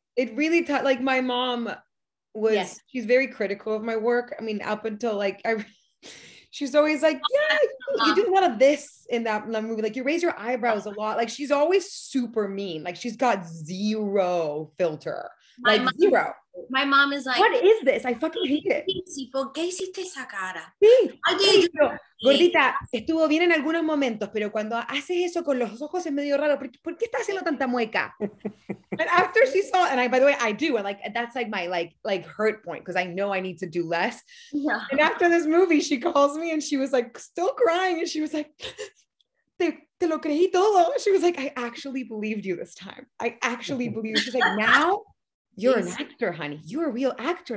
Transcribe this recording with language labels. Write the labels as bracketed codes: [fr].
[en] It really touched, like, my mom was, she's very critical of my work. I mean, up until like, she's always like, yeah, you do a lot of this in that movie. Like, you raise your eyebrows a lot. Like, she's always super mean. Like, she's got zero filter. Like, zero. My mom is like, what is this? I fucking hate it. [es] ¿Por qué hiciste esa cara? Sí. Gordita, estuvo bien en algunos momentos, pero cuando haces eso con los ojos es medio raro. ¿Por qué estás haciendo tanta mueca? [en] And after she saw, and I, by the way, I do. And like, that's like my like hurt point, because I know I need to do less. Yeah. And after this movie, she calls me and she was like still crying. And she was like, [es] te lo creí todo. [en] She was like, I actually believed you this time. I actually believed. She's like, now? You're an actor, honey. You're a real actor.